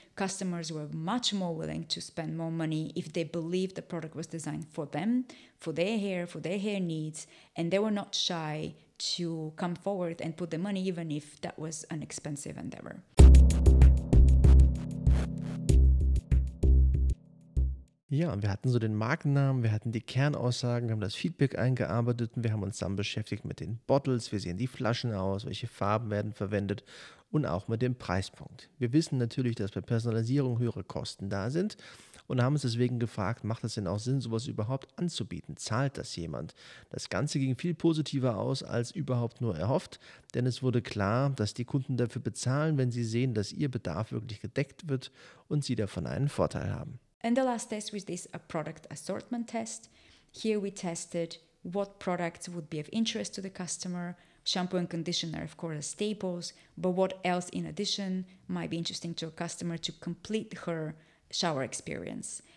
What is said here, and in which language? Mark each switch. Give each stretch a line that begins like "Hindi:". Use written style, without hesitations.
English: Customers were much more willing to spend more money if they believed the product was designed for them, for their hair needs, and they were not shy to come forward and put the money, even if that was an expensive endeavor.
German: Ja, wir hatten so den Markennamen, wir hatten die Kernaussagen, wir haben das Feedback eingearbeitet und wir haben uns dann beschäftigt mit den Bottles, wie sehen die Flaschen aus, welche Farben werden verwendet und auch mit dem Preispunkt. Wir wissen natürlich, dass bei Personalisierung höhere Kosten da sind und haben uns deswegen gefragt, macht es denn auch Sinn, sowas überhaupt anzubieten? Zahlt das jemand? Das Ganze ging viel positiver aus als überhaupt nur erhofft, denn es wurde klar, dass die Kunden dafür bezahlen, wenn sie sehen, dass ihr Bedarf wirklich gedeckt wird und sie davon einen Vorteil haben.
English: And the last test was this a product assortment test. Here we tested what products would be of interest to the customer. Shampoo and conditioner, of course, are staples, but what else in addition might be interesting to a customer to complete her shower experience.